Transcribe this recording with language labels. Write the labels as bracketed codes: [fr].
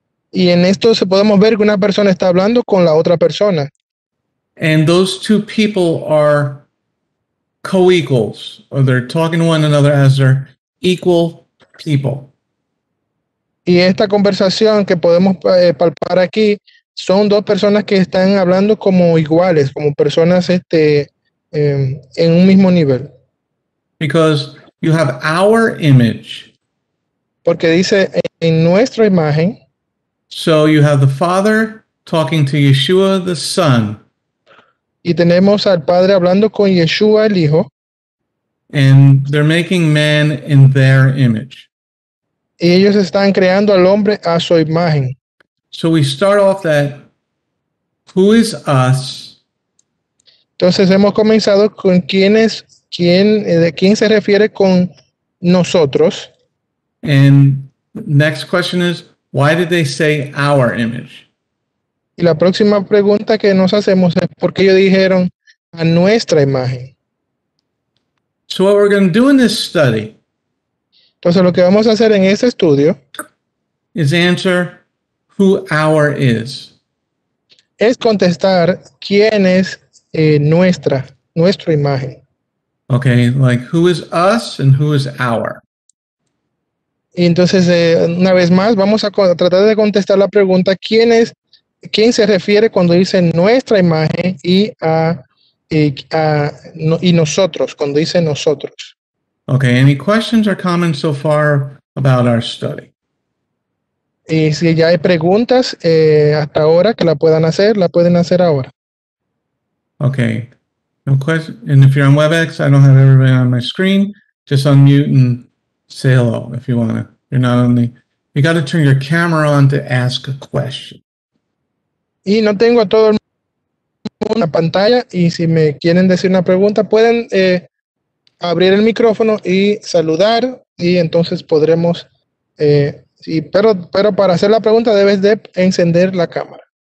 [es] Y en esto se podemos ver que una persona está hablando con la otra persona. [en] And those two people are co-equals, or they're talking to one another as their equal people. [es] Y esta conversación que podemos palpar aquí son dos personas que están hablando como iguales, como personas en un mismo nivel. [en] Because you have our image. [es] Porque dice en nuestra imagen. [en] So you have the Father talking to Yeshua the Son. [es] Y tenemos al Padre hablando con Yeshua el Hijo. [en] And they're making man in their image. [es] Y ellos están creando al hombre a su imagen. [en] So we start off that, who is us? [es] Entonces hemos comenzado con de quién se refiere con nosotros. [en] And next question is, why did they say our image? [es] Y la próxima pregunta que nos hacemos es, ¿por qué ellos dijeron a nuestra imagen? [en] So what we're going to do in this study. [es] Entonces lo que vamos a hacer en este estudio [en] is answer who our is. [es] Es contestar quién es nuestra imagen. [en] Okay, like who is us and who is our. [es] Y entonces una vez más vamos a tratar de contestar la pregunta quién se refiere cuando dice nuestra imagen y a y nosotros, cuando dice nosotros. [en] Okay, any questions or comments so far about our study? [es] Y si ya hay preguntas hasta ahora que la pueden hacer ahora. [en] Okay, no question. And if you're on WebEx, I don't have everybody on my screen. Just unmute and say hello if you want to. You're not on the. You got to turn your camera on to ask a question. [es] Y no tengo a todo el mundo en la pantalla. Y si me quieren decir una pregunta, pueden abrir el micrófono y saludar. Y entonces podremos. Sí, pero para hacer la pregunta debes de encender la cámara.